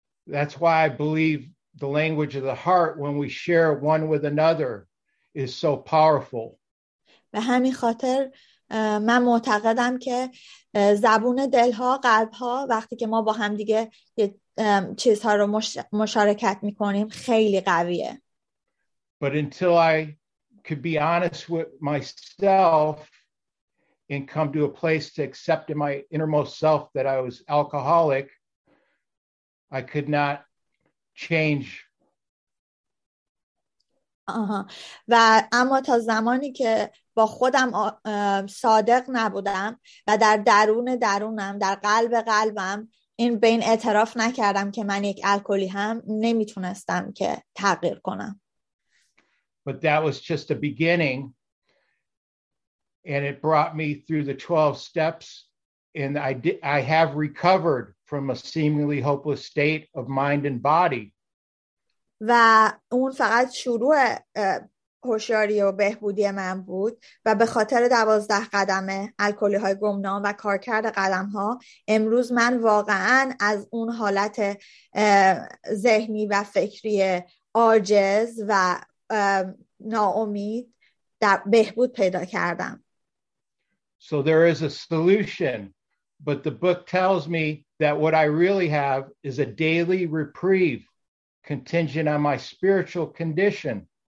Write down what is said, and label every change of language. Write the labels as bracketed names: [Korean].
[English] That's why I believe the language of the heart when we share one with another is so powerful. [Persian] به همین خاطر من معتقدم که زبون دلها، قلبها وقتی که ما با هم دیگه چیزها رو مشارکت میکنیم خیلی قویه. [English] But until I could be honest with myself and come to a place to accept in my innermost self that I was alcoholic, I could not change. [Persian] و اما تا زمانی که با خودم صادق نبودم و در درون درونم، در قلب قلبم این بین اعتراف نکردم که من یک الکلی هم، نمیتونستم که تغییر کنم. [English] But that was just a beginning and it brought me through the 12 steps and I have recovered from a seemingly hopeless state of mind and body. [Persian] و اون فقط شروع هوشیاری و بهبودی من بود و به خاطر 12 قدم الکلی های گمنام و کارکرد قدم ها امروز من واقعا از اون حالت ذهنی و فکری عاجز و ناامید در بهبود پیدا کردم. [English] So there is a solution, but the book tells me that what I really have is a daily reprieve contingent on my spiritual condition.